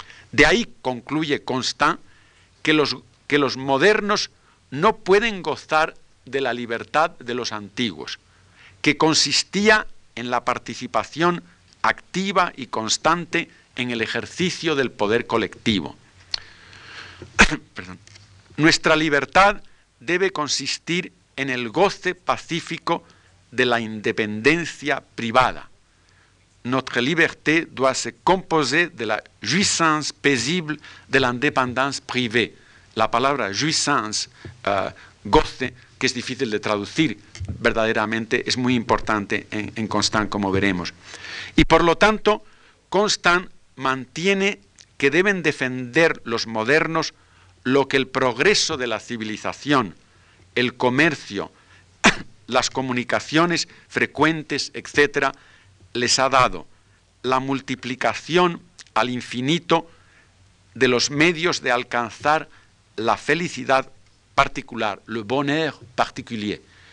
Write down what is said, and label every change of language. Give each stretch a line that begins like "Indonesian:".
Spanish: De ahí concluye Constant que los modernos no pueden gozar de la libertad de los antiguos, que consistía en la participación activa y constante en el ejercicio del poder colectivo. Perdón. Nuestra libertad debe consistir en el goce pacífico de la independencia privada.
French: Notre liberté doit se composer de la jouissance paisible de l'indépendance privée.
Spanish: La palabra jouissance, goce, que es difícil de traducir verdaderamente, es muy importante en Constant, como veremos. Y por lo tanto, Constant mantiene que deben defender los modernos lo que el progreso de la civilización, el comercio, las comunicaciones frecuentes, etc., les ha dado, la multiplicación al infinito de los medios de alcanzar la felicidad particular,
French: le bonheur particulier.